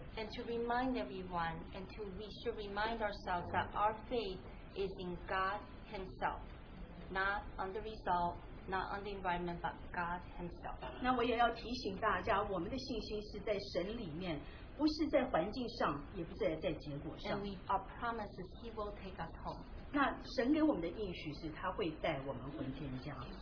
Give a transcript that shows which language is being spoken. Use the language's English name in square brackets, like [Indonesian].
[English] And to remind everyone, and to we should remind ourselves that our faith is in God Himself, not on the result, not on the environment, but God Himself. [Chinese] 那我也要提醒大家，我们的信心是在神里面。不是在环境上, 也不是在结果上。 [English] And we are promises He will take us home. [Chinese] 那神给我们的应许是, 祂会带我们回天家。